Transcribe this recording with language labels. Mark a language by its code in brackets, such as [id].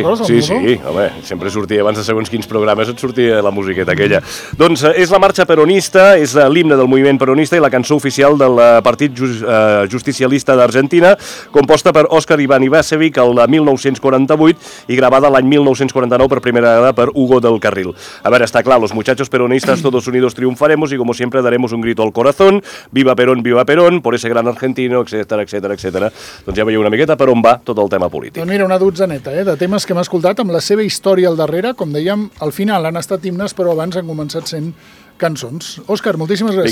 [ca] Sí, sí, sí, home, sempre sortia, abans de segons quins programes et sortia la musiqueta aquella. Doncs és la marxa peronista, és l'himne del moviment peronista i la cançó oficial del Partit Justicialista d'Argentina, composta per Óscar Iván Ivasevic el 1948 i gravada l'any 1949 per primera vegada per Hugo del Carril. A veure, està clar, [es] los muchachos peronistas todos unidos triunfaremos y como siempre daremos un grito al corazón, viva Perón, por ese gran argentino, [ca] etcètera, etcètera, etcètera. Doncs ja veieu una miqueta per on va tot el tema polític. Doncs mira, una dotzeneta de temes que hem escoltat amb la seva història al darrere, com dèiem, al final han estat himnes, però abans han començat sent cançons. Òscar, moltíssimes gràcies.